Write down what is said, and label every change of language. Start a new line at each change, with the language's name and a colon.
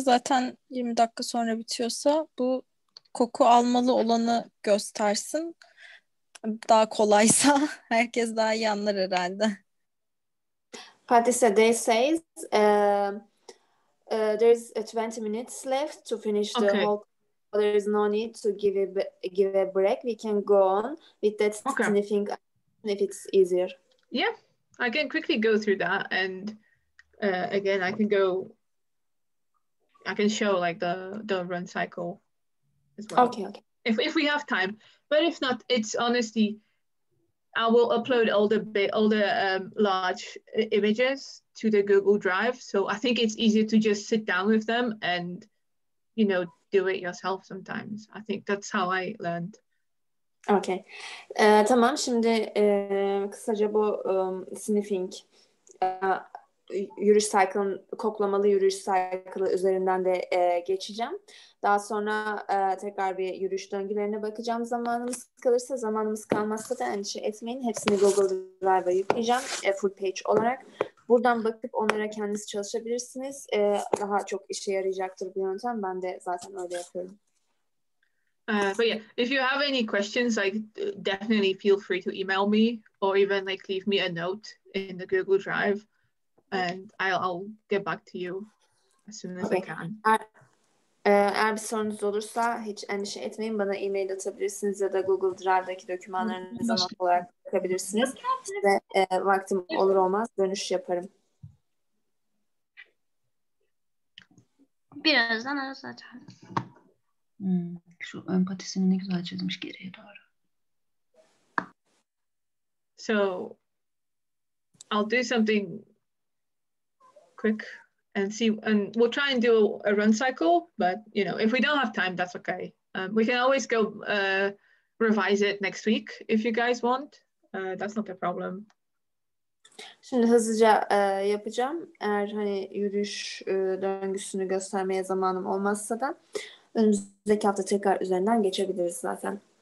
Turkish: Zaten 20 dakika sonra bitiyorsa bu koku almalı olanı göstersin. Daha kolaysa herkes daha iyi anlar herhalde.
English: Patricia, they says there's 20 minutes left to finish the whole. There is no need to give a break. We can go on with that sniffing if it's easier. Yeah, I can quickly go through that and again I can go. I can show like the run cycle as well. Okay. If we have time. But if not, it's honestly, I will upload all the large images to the Google Drive. So I think it's easier to just sit down with them and, you know, do it yourself sometimes. I think that's how I learned. Okay.
Turkish: Tamam, şimdi kısaca bu sniffing, yürüyüş cycle'ın, koklamalı yürüyüş cycle'ı üzerinden de geçeceğim. Daha sonra tekrar bir yürüyüş döngülerine bakacağım. Zamanımız kalırsa, zamanımız kalmazsa da endişe etmeyin. Hepsini Google Drive'a yükleyeceğim
English: full page
Turkish: olarak. Buradan bakıp onlara kendiniz çalışabilirsiniz. Daha çok işe yarayacaktır bu yöntem. Ben de zaten öyle yapıyorum.
English: But yeah, if you have any questions, like definitely feel free to email me or even like leave me a note in the Google Drive and I'll get back to you as soon as I can.
Turkish: Eğer bir sorunuz olursa hiç endişe etmeyin. Bana e-mail atabilirsiniz ya da Google Drive'daki dokümanlarınızı zaman olarak bakabilirsiniz. Ve vaktim olur olmaz dönüş yaparım. Birazdan azalacak. Şu ön patisini ne güzel çizmiş geriye doğru.
English: So I'll do something quick. And see, and we'll try and do a run cycle, but you know, if we don't have time, that's okay. We can always go revise it next week if you guys want. That's not a problem.
Turkish: Şimdi hızlıca yapacağım. Eğer hani yürüyüş döngüsünü göstermeye zamanım olmazsa da önümüzdeki hafta tekrar üzerinden geçebiliriz zaten.